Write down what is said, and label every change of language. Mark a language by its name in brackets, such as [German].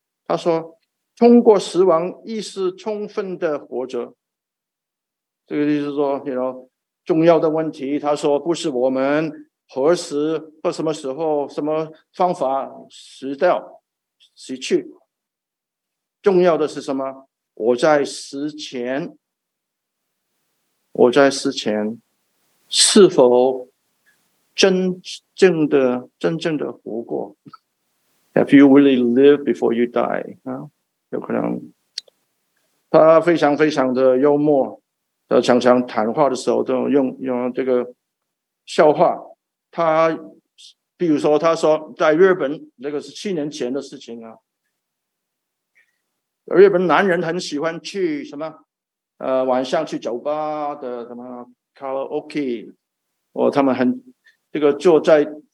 [Chinese] 他说通过死亡意识充分的活着，这个意思说重要的问题，他说不是我们何时或什么时候什么方法死掉，死去。重要的是什么？我在死前，我在死前是否真正的活过？ [English] Have you really lived before you die? [Chinese] 有可能他非常非常的幽默，他常常谈话的时候都用这个笑话。他比如说他说在日本，那个是七年前的事情啊，日本男人很喜欢去什么晚上去酒吧的什么 karaoke， 哦，他们很这个坐在